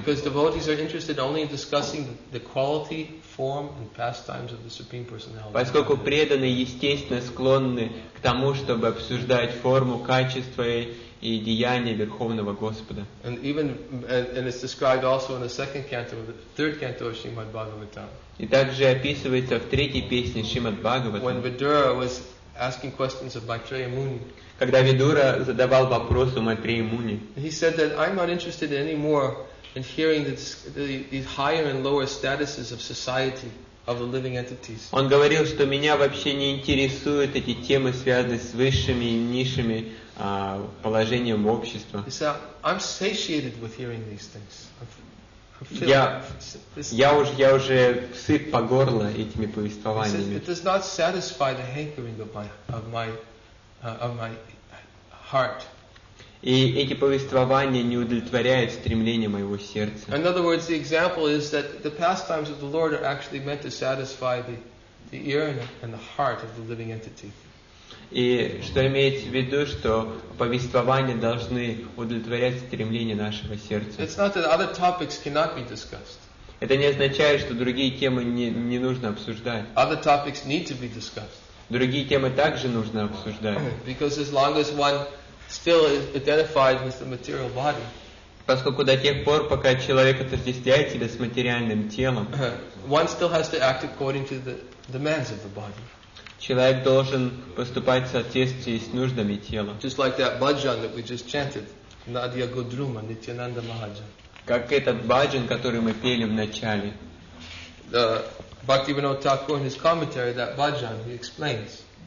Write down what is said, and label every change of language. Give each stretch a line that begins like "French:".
English: Because devotees are interested only in discussing the quality, form and pastimes of the Supreme Personality.
Russian: Поскольку преданные естественно склонны к тому, чтобы обсуждать форму, качество и деяния Верховного Господа.
English: And even and it's described also in the second canto, the third canto of Srimad Bhagavatam.
Russian: И также описывается в третьей песне Шримад Бхагаватам.
English: When Vidura was asking questions of Maitreya Muni.
Russian: Когда Видура задавал вопрос о Майтрее Муни.
English: He said that I'm not interested anymore in hearing these higher and lower statuses of society of the living entities.
Russian: Он говорил, что меня вообще не интересуют эти темы, связанные с высшими и низшими положением общества.
English: He said, I'm satiated with hearing these things.
Russian: Я уже сыт по горло этими повествованиями.
English: It does not satisfy the hankering of my heart.
Russian: И эти повествования не удовлетворяют стремление моего сердца.
English: In other words, the example is that the pastimes of the Lord are actually meant to satisfy the ear and the heart of the living entity.
Russian: И что имеется в виду, что повествования должны удовлетворять стремления нашего сердца.
English: It's not that other topics cannot be discussed.
Russian: Это не означает, что другие темы не нужно обсуждать.
English: Other topics need to be discussed.
Russian: Другие темы также нужно обсуждать.
English: Because as long as one still is identified with the material body.
Russian: Поскольку до тех пор, пока человек отождествляет себя с материальным телом,
English: one still has to act according to the demands of the body.
Russian: Человек должен поступать в соответствии с нуждами тела.
English: Just like that bhajan that we just chanted, Nadia Gudruma, Nityananda Mahajan.
Russian: Как этот bhajan, который мы пели в начале.
English: Bhaktivinoda Thakur, in his commentary, that bhajan, he explains.